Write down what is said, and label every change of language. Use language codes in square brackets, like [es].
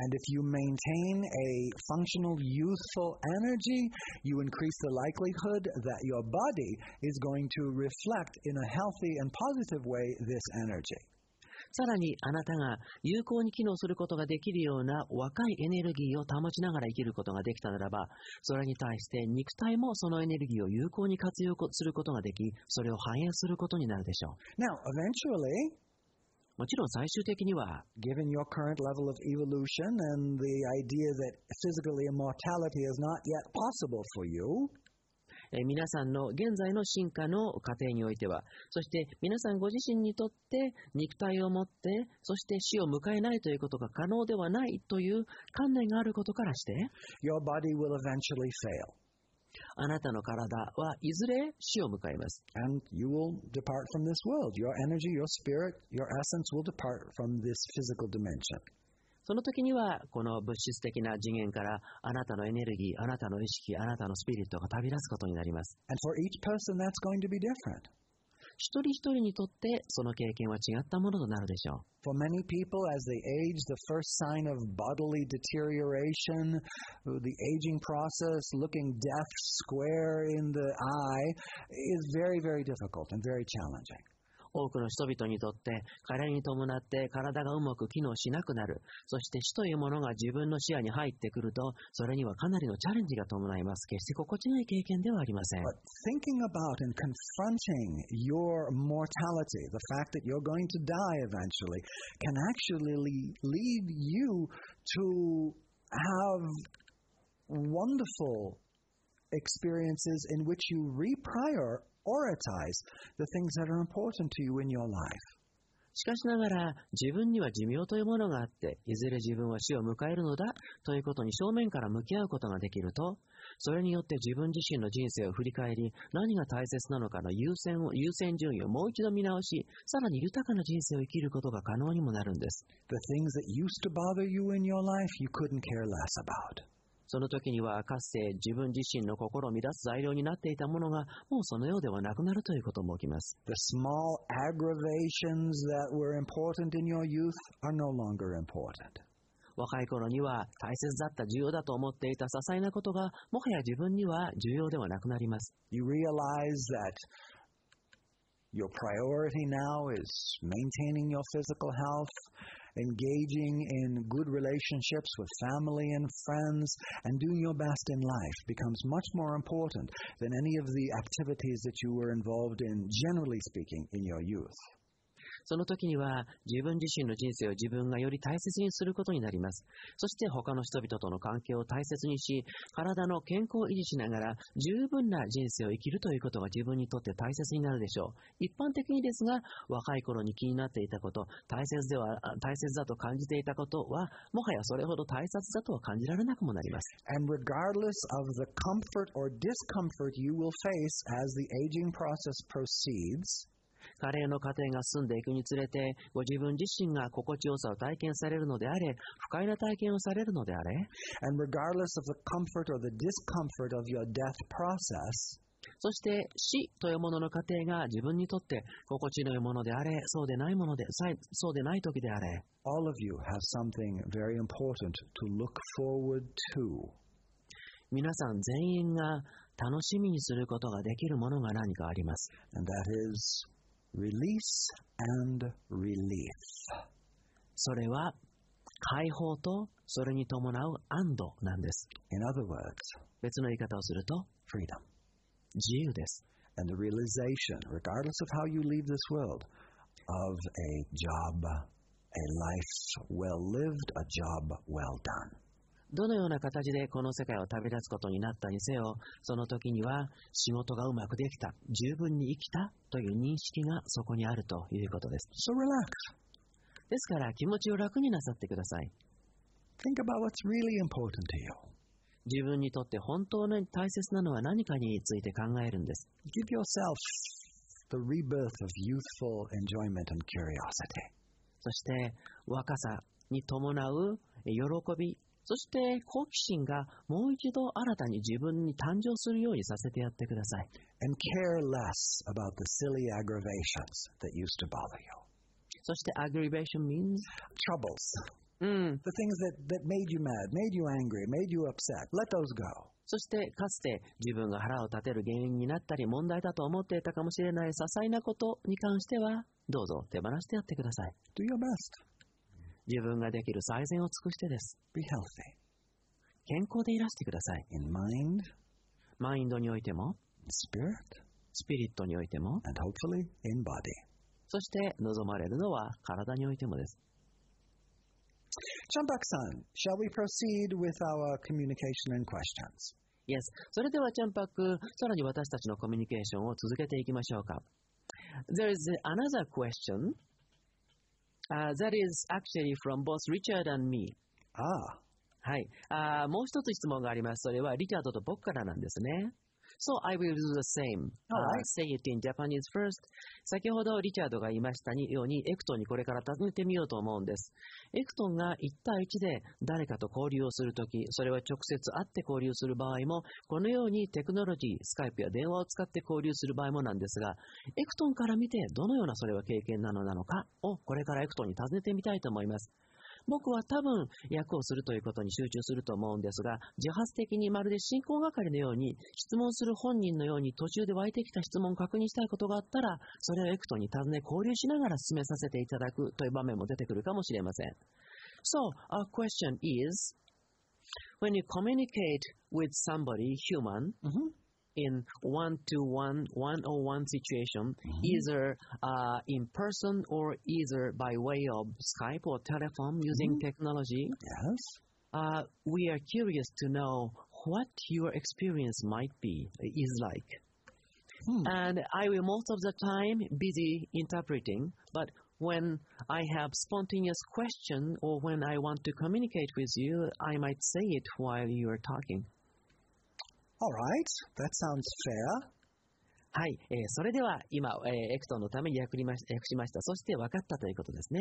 [en] And if you maintain a functional youthful energy, you increase the likelihood that your body is going to reflect in a healthy and positive way this energy. [ja] さらにあなたが有効に機能することができるような若いエネルギーを保ちながら生きることができたならば、それに対して肉体もそのエネルギーを有効に活用することができ、それを反映することになるでしょう。 [en] Now, eventually, [ja] もちろん最終的には、 [en] given your current level of evolution and the idea that physical immortality is not yet possible for you, [ja] 皆さんの現在の進化の過程においては、そして皆さんご自身にとって肉体を持って、そして死を迎えないということが可能ではないという観念があることからして、 [en] Your body will eventually fail. [ja] あなたの体はいずれ死を迎えます。 [en] And you will depart from this world. Your energy, your spirit, your essence will depart from this physical dimension. [ja] その時にはこの物質的な次元からあなたのエネルギー、あなたの意識、あなたのスピリットが旅立つことになります。 [en] And for each person, that's going to be different. [ja] 一人一人にとってその経験は違ったものとなるでしょう。 [en] For many people, as they age, the first sign of bodily deterioration, the aging process, looking death square in the eye, is very, very difficult and very challenging. [ja] 多くの人々にとって、加齢に伴って体がうまく機能しなくなる、そして死というものが自分の視野に入ってくると、それにはかなりのチャレンジが伴います。決して心地よい経験ではありません。 [en] But thinking about and confronting your mortality, the fact that you're going to die eventually, can actually lead you to have wonderful experiences in which you reprioritize the things that are important to you in your life. [ja] しかしながら、自分には寿命というものがあって、いずれ自分は死を迎えるのだということに正面から向き合うことができると、それによって自分自身の人生を振り返り、何が大切なのかの優先順位をもう一度見直し、さらに豊かな人生を生きることが可能にもなるんです。 [en] The things that used to bother you in your life, you couldn't care less about. [ja] その時にはかつて自分自身の心を乱す材料になっていたものがもうそのようではなくなるということも起きます。 [en] The small aggravations that were important in your youth are no longer important. [ja] 若い頃には大切だった、重要だと思っていた些細なことがもはや自分には重要ではなくなります。 [en] You realize that your priority now is maintaining your physical health. engaging in good relationships with family and friends and doing your best in life becomes much more important than any of the activities that you were involved in, generally speaking, in your youth. [ja] その時には自分自身の人生を自分がより大切にすることになります。そして他の人々との関係を大切にし、体の健康を維持しながら十分な人生を生きるということが自分にとって大切になるでしょう。一般的にですが、若い頃に気になっていたこと、大切だと感じていたことは、もはやそれほど大切だとは感じられなくもなります。 [en] And regardless of the comfort or discomfort you will face as the aging process proceeds, [ja] 加齢の過程が進んでいくにつれて、ご自分自身が心地よさを体験されるのであれ、不快な体験をされるのであれ、 [en] And regardless of the comfort or the discomfort of your death process, [ja] そして死というものの過程が自分にとって心地のいいものであれ、そうでない時であれ、 [en] All of you have something very important to look forward to. [ja] 皆さん全員が楽しみにすることができるものが何かあります。 [en] And that isRelease and relief. [ja] それは解放とそれに伴う安堵なんです。 [en] In other words, [ja] 別の言い方をすると、 [en] freedom. [ja] 自由です。 [en] And the realization, regardless of how you leave this world, of a job, a life well lived, a job well done. [ja] どのような形でこの世界を旅立つことになったにせよ、その時には仕事がうまくできた、十分に生きたという認識がそこにあるということです。 [en] So relax. [ja] ですから気持ちを楽になさってください。 [en] Think about what's really important to you. [ja] 自分にとって本当に大切なのは何かについて考えるんです。 [en] Give yourself the rebirth of youthful enjoyment and curiosity. [ja] そして若さに伴う喜び、そして好奇心がもう一度新たに自分に誕生するようにさせてやってください。 [en] And care less about the silly aggravations that used to bother you. [ja] そして [en] aggravation means? Troubles.、 [ja] うん、 [en] the things that made you mad, made you angry, made you upset. Let those go. [ja] そしてかつて自分が腹を立てる原因になったり問題だと思っていたかもしれない些細なことに関してはどうぞ手放してやってください。 [en] Do your best. [ja] 自分ができる最善を尽くしてです。 [en] Be healthy. [ja] 健康でいらしてください。 [en] In mind, [ja] マインドにおいても、 [en] Spirit, [ja] スピリットにおいても、 [en] and hopefully in body. [ja] そして望まれるのは体においてもです。 [en] Champak-san, shall we proceed with our communication and questions? Yes. [ja] それではチャンパク、さらに私たちのコミュニケーションを続けていきましょうか。 [en] There is another question. That is actually from both Richard and me. Ah. [ja] はい。もう一つ質問があります。それはリチャードと僕からなんですね。 [en] So I will do the same. Say it in Japanese first. [ja] 先ほどリチャードが言いましたようにエクトンにこれから尋ねてみようと思うんです。エクトンが一対一で誰かと交流をするとき、それは直接会って交流する場合も、このようにテクノロジー、スカイプや電話を使って交流する場合もなんですが、エクトンから見てどのようなそれは経験なのなのかをこれからエクトンに尋ねてみたいと思います。僕は多分訳をするということに集中すると思うんですが、自発的にまるで進行係のように質問する本人のように途中で湧いてきた質問を確認したいことがあったら、それをエクトに尋ね交流しながら進めさせていただくという場面も出てくるかもしれません。 [en] So, our question is, when you communicate with somebody human、 mm-hmm. In one-to-one, one-on-one situation, either in person or either by way of Skype or telephone using technology, yes. We are curious to know what your experience might be, is like. And I will most of the time busy interpreting, but when I have spontaneous question or when I want to communicate with you, I might say it while you are talking. All right. That sounds fair. [ja] はい、それでは今、エクトンのために訳しました。そして分かったということですね。